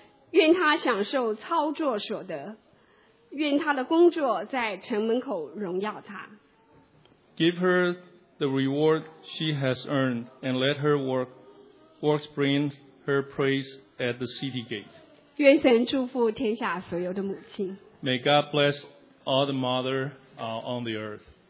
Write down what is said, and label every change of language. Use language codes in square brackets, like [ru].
[zh] 愿她享受操作所得，愿她的工作在城门口荣耀她。 [en] Give her the reward she has earned, and let her works bring her praise at the city gate. [zh] 愿神祝福天下所有的母亲。 [en] May God bless all the mother on the earth.